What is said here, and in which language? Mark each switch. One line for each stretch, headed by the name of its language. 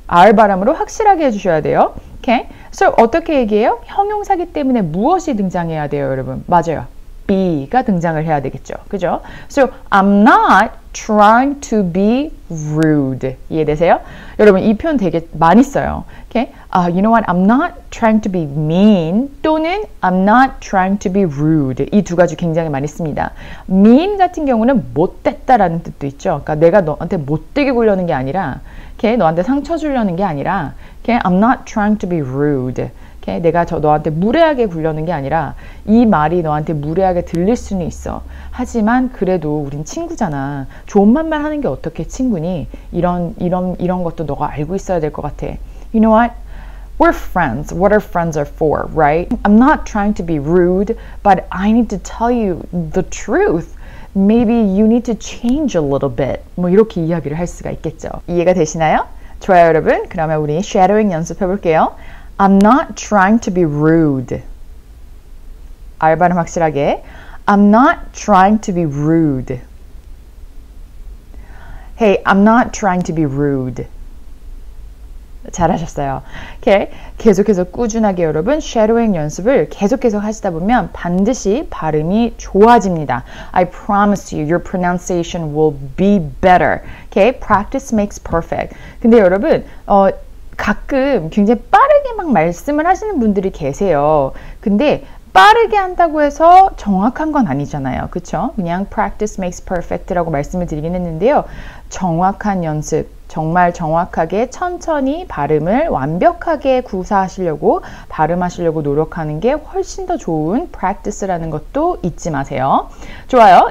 Korean: R 발음으로 확실하게 해주셔야 돼요. Okay? So 어떻게 얘기해요? 형용사기 때문에 무엇이 등장해야 돼요, 여러분? 맞아요. be가 등장을 해야 되겠죠. 그죠?
English: So I'm not trying to be rude.
Korean: 이해되세요? 여러분 이 표현 되게 많이 써요.
English: Okay? You know what? I'm not trying to be mean
Korean: 또는
English: I'm not trying to be rude.
Korean: 이 두 가지 굉장히 많이 씁니다. mean 같은 경우는 못됐다라는 뜻도 있죠. 그러니까 내가 너한테 못되게 굴려는 게 아니라 okay? 너한테 상처 주려는 게 아니라
English: okay? I'm not trying to be rude. Okay?
Korean: 내가 저 너한테 무례하게 굴려는 게 아니라 이 말이 너한테 무례하게 들릴 수는 있어. 하지만 그래도 우린 친구잖아. 좋은 말만 하는 게 어떻게 친구니? 이런 것도 너가 알고 있어야 될 것 같아.
English: You know what? We're friends. What our friends are for, right? I'm not trying to be rude, but I need to tell you the truth. Maybe you need to change a little bit.
Korean: 뭐 이렇게 이야기를 할 수가 있겠죠. 이해가 되시나요? 좋아요, 여러분. 그러면 우리 쉐도잉 연습해 볼게요.
English: I'm not trying to be rude.
Korean: 알 발음 확실하게.
English: I'm not trying to be rude. Hey, I'm not trying to be rude.
Korean: 잘하셨어요.
English: Okay.
Korean: 계속해서 꾸준하게 여러분 쉐도잉 연습을 계속해서 하시다 보면 반드시 발음이 좋아집니다.
English: I promise you, your pronunciation will be better. Okay. Practice makes perfect.
Korean: 근데 여러분, 가끔 굉장히 빠르게 막 말씀을 하시는 분들이 계세요. 근데 빠르게 한다고 해서 정확한 건 아니잖아요. 그렇죠? 그냥
English: practice makes perfect
Korean: 라고 말씀을 드리긴 했는데요. 정확한 연습, 정말 정확하게 천천히 발음을 완벽하게 구사하시려고 발음하시려고 노력하는 게 훨씬 더 좋은 practice라는 것도 잊지 마세요. 좋아요.